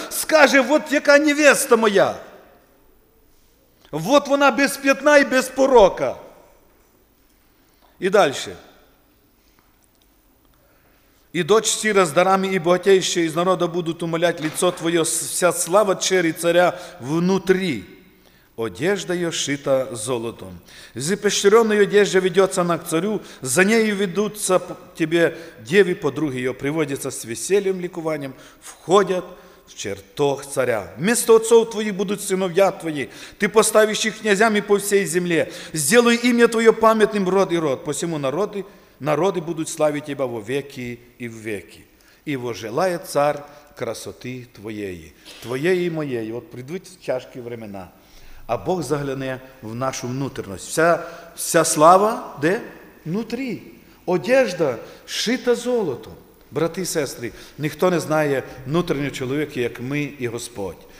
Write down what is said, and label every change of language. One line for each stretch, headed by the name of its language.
Ukrainian: Скаже, от яка невеста моя. От вона без п'ятна і без порока. І далі.
Russian: «І дочь сіра з дарами, і богатейші із народу будуть умолять ліцо твоє, вся слава чері царя внутрі». Одежда ее шита золотом. Запещеренная одежда ведется на к царю, за нею ведутся тебе деви, подруги ее, приводятся с весельем, ликованием, входят в чертог царя. Вместо отцов твоих будут сыновья твои, ты поставишь их князями по всей земле. Сделай имя твое памятным род и род, посему народы будут славить тебя во веки и в веки.
Ukrainian: І вожелає цар красоти твоєї, твоєї і моєї. От прийдуть тяжкі
Russian: времена,
Ukrainian: а Бог загляне в нашу внутрішність. Вся слава де? Внутрі. Одежда шита золотом. Брати і сестри, ніхто не знає внутрішнього чоловіка, як ми і Господь.